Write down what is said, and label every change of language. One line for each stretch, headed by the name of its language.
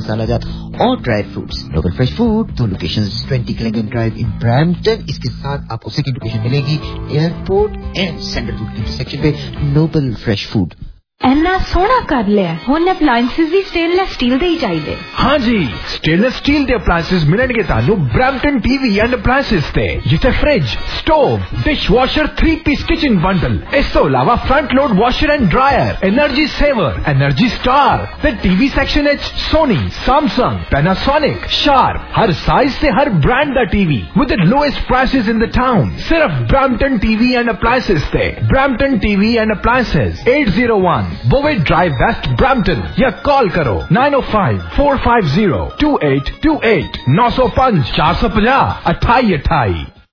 Hindi: मसालेदार और dry fruits, local fresh food. दो location 20 Klingon drive in Brampton, इसके साथ आपको सेकंड लोकेशन मिलेगी airport and central root intersection पे, नोबल फ्रेश फूड।
Punjabi: ਇੰਨਾ ਸੋਹਣਾ ਕਰ ਲਿਆ ਹੁਣ ਅਪਲਾਈਂਸਿਸ ਵੀ ਸਟੇਨਲੈਸ ਸਟੀਲ ਦੇ ਹੀ ਚਾਹੀਦੇ। ਹਾਂਜੀ, ਸਟੇਨਲੈਸ ਸਟੀਲ ਦੇ ਅਪਲਾਈਂਸਿਸ ਮਿਲਣਗੇ ਤੁਹਾਨੂੰ ਬ੍ਰੈਮਟਨ ਟੀਵੀ ਐਂਡ ਅਪਲਾਈਂਸਿਸ ਤੇ, ਜਿੱਥੇ fridge, stove, dishwasher, 3 piece kitchen bundle, ਇਸ ਤੋਂ ਇਲਾਵਾ front load washer and dryer, energy saver, energy star, ਤੇ ਟੀਵੀ ਸੈਕਸ਼ਨ ਵਿੱਚ ਸੋਨੀ, ਸੈਮਸੰਗ, ਪੈਨਾਸੋਨਿਕ, ਸ਼ਾਰਪ, ਹਰ ਸਾਈਜ਼ ਤੇ ਹਰ brand ਦਾ TV
English: with the lowest prices in the town,
Punjabi: ਸਿਰਫ Brampton TV and ਅਪਲਾਈਂਸਿਸ ਤੇ। Brampton TV and ਅਪਲਾਈਂਸਿਸ, 801 Bowie Drive West, Brampton, ya call karo 905-450-2828, 905-450-2828.